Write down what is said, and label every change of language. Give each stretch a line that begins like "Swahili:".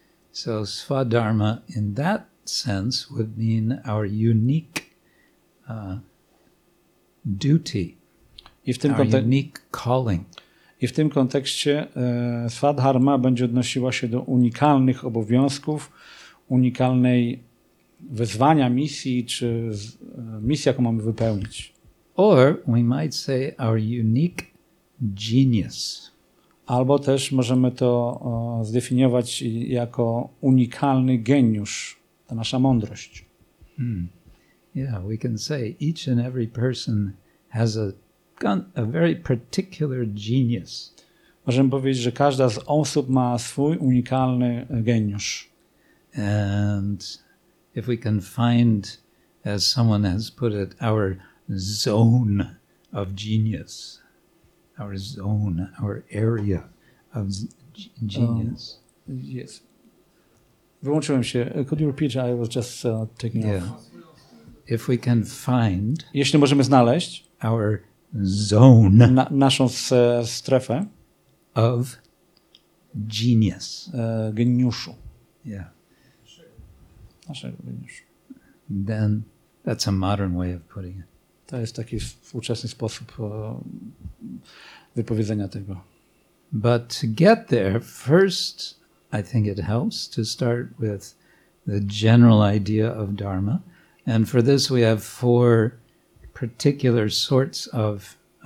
English: So svadharma in that sense would mean our unique duty, our unique calling.
Polish: I w tym kontekście svadharma będzie odnosiła się do unikalnych obowiązków, unikalnej wyzwania, misji, czy misji, jaką mamy wypełnić.
English: Or we might say our unique genius.
Polish: Albo też możemy to zdefiniować jako unikalny geniusz, ta nasza mądrość.
English: Yeah, we can say each and every person has a very particular genius.
Polish: Możemy powiedzieć, że każda z osób ma swój unikalny geniusz.
English: And if we can find, as someone has put it, our zone of genius, our zone, our area of genius. Yes.
Polish: Wyłączyłem się.
English: Could you repeat? I was just taking off. If we can find,
Polish: jeśli możemy znaleźć,
English: our zone,
Polish: naszą strefę,
English: of genius,
Polish: geniuszu,
English: yeah,
Polish: naszego geniuszu,
English: then that's a modern way of putting it.
Polish: To jest taki współczesny sposób wypowiedzenia tego.
English: But to get there, first I think it helps to start with the general idea of dharma, and for this we have four particular sorts of